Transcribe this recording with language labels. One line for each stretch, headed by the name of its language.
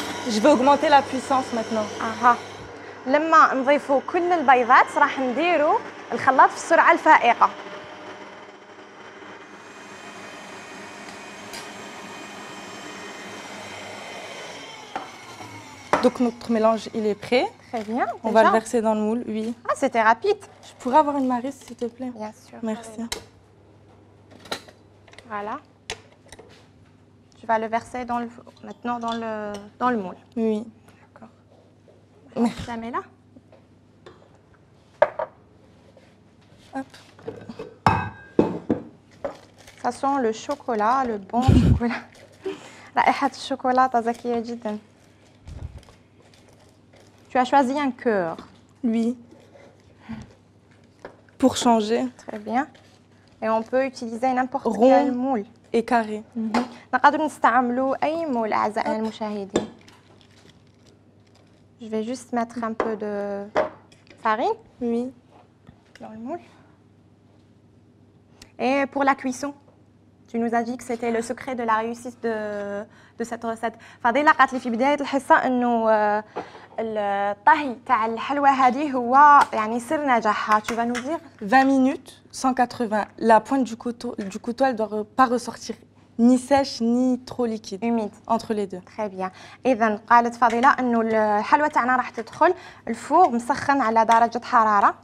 French: Je vais augmenter la puissance maintenant. Aha.
Arabic: لما نضيفو كل البيضات راح نديرو الخلاط في السرعة الفائقة.
French: Donc notre mélange il est prêt. Très bien. On va le verser dans le moule, oui. Ah, c'était rapide. Je pourrais avoir une marise s'il te plaît. Bien sûr. Merci. Voilà. Tu vas le verser dans le, maintenant dans le moule. Oui. D'accord. Je la mets là. Hop. Ça sent le chocolat, le bon chocolat.
Arabic: رائحة الشوكولاتة زكية جدا.
French: Tu as choisi un cœur. Oui. Pour changer. Très bien. Et on peut utiliser n'importe quel moule. Et carré.
Arabic: نقدر نستعملو أي مول أعزائنا المشاهدين.
French: Je vais juste mettre un peu de farine. Oui. Dans le moule. Et pour la cuisson, tu nous as dit que c'était le secret de la réussite de cette recette.
Arabic: فضيلة قالت لي في بداية الحصة إنه الطهي تاع الحلوى هذه هو يعني سر نجاحها.
French: Tu vas nous dire 20 minutes, 180. La pointe du couteau, elle ne doit pas ressortir ni sèche ni trop liquide. Humide. Entre les deux. Très bien.
Arabic: إذا قالت فضيلة إنه الحلوى تاعنا راح تدخل الفور مسخن على درجة حرارة.